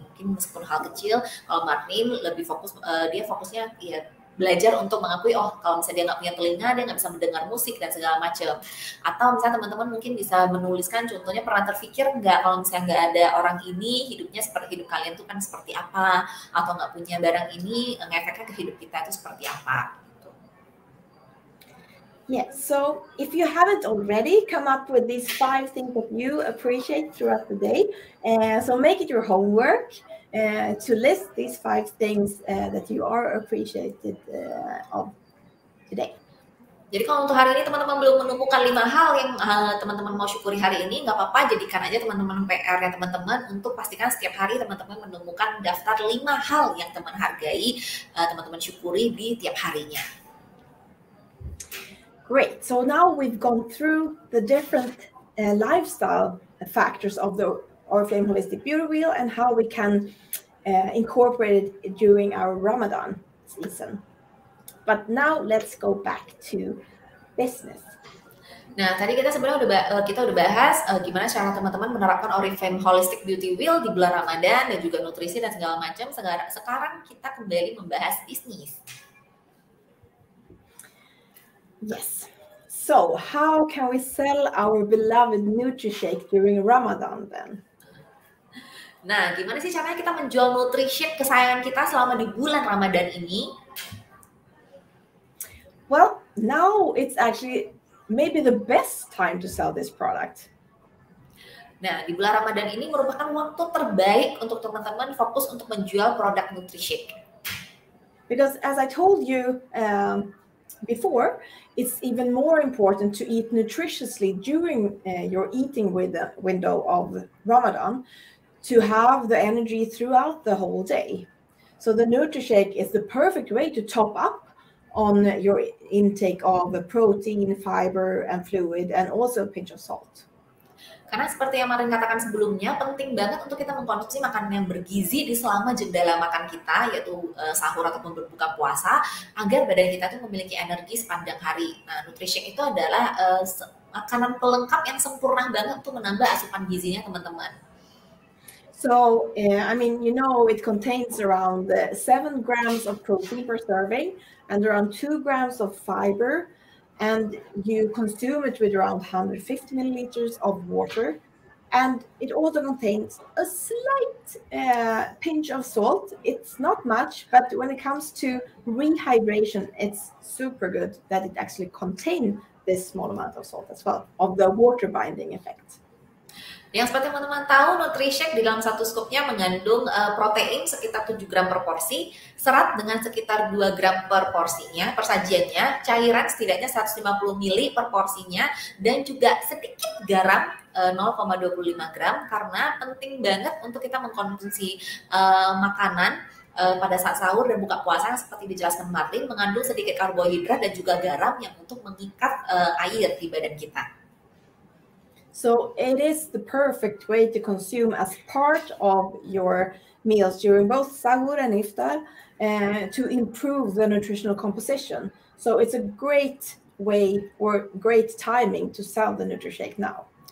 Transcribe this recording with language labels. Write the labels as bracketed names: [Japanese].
[Indonesian] Mungkin meskipun hal kecil, kalau Marlin lebih fokus, dia fokusnya ya belajar untuk mengakui, oh kalau misalnya dia nggak punya telinga, dia nggak bisa mendengar musik dan segala macam. Atau misalnya teman-teman mungkin bisa menuliskan, contohnya pernah terpikir nggak kalau misalnya nggak ada orang ini, hidupnya seperti hidup kalian tuh kan seperti apa? Atau nggak punya barang ini, ngefeknya ke hidup kita itu seperti apa? Gitu. [English] Yeah, so if you haven't already come up with these five things that you appreciate throughout the day, so make it your homework. To list these five things that you are appreciated of today. [Indonesian] Jadi kalau untuk hari ini teman-teman belum menemukan lima hal yang teman-teman mau syukuri hari ini, nggak apa-apa, jadikan aja teman-teman PR-nya teman-teman untuk pastikan setiap hari teman-teman menemukan daftar lima hal yang teman hargai, teman-teman syukuri di tiap harinya. [English] Great, so now we've gone through the different lifestyle factors of the Oriflame Holistic Beauty Wheel and how we can incorporate it during our Ramadan season. But now let's go back to business. [Indonesian] Nah, tadi kita sebenarnya kita udah bahas gimana cara teman-teman menerapkan Oriflame Holistic Beauty Wheel di bulan Ramadan dan juga nutrisi dan segala macam. Sekarang kita kembali membahas bisnis. [English] Yes. So how can we sell our beloved Nutrishake during Ramadan then? [Indonesian] Nah, gimana sih caranya kita menjual Nutrishake kesayangan kita selama di bulan Ramadan ini? [English] Well, now it's actually maybe the best time to sell this product. [Indonesian] Nah, di bulan Ramadan ini merupakan waktu terbaik untuk teman-teman fokus untuk menjual produk Nutrishake. [English] Because as I told you before, it's even more important to eat nutritiously during your eating window of Ramadan to have the energy throughout the whole day. So the Nutrishake is the perfect way to top up on your intake of protein, fiber, and fluid, and also a pinch of salt. [Indonesian] Karena seperti yang Maren katakan sebelumnya, penting banget untuk kita mengkonsumsi makanan yang bergizi di selama jendela makan kita, yaitu sahur ataupun berbuka puasa, agar badan kita tuh memiliki energi sepanjang hari. Nah, Nutrishake itu adalah makanan pelengkap yang sempurna banget untuk menambah asupan gizinya, teman-teman. [English] So, I mean, you know, it contains around 7 grams of protein per serving, and around 2 grams of fiber, and you consume it with around 150 milliliters of water, and it also contains a slight pinch of salt. It's not much, but when it comes to rehydration, it's super good that it actually contains this small amount of salt as well, of the water binding effect. [Indonesian] Yang seperti teman-teman tahu, Nutrishake di dalam satu scoop-nya mengandung protein sekitar 7 gram per porsi, serat dengan sekitar 2 gram per porsinya, persajiannya, cairan setidaknya 150 ml per porsinya, dan juga sedikit garam 0,25 gram, karena penting banget untuk kita mengkonsumsi makanan pada saat sahur dan buka puasa yang seperti dijelaskan Martin, mengandung sedikit karbohidrat dan juga garam yang untuk mengikat air di badan kita. [English] So it is the perfect way to consume as part of your meals during both sahur and iftar to improve the nutritional composition. So it's a great way or great timing to sell the Nutrishake now.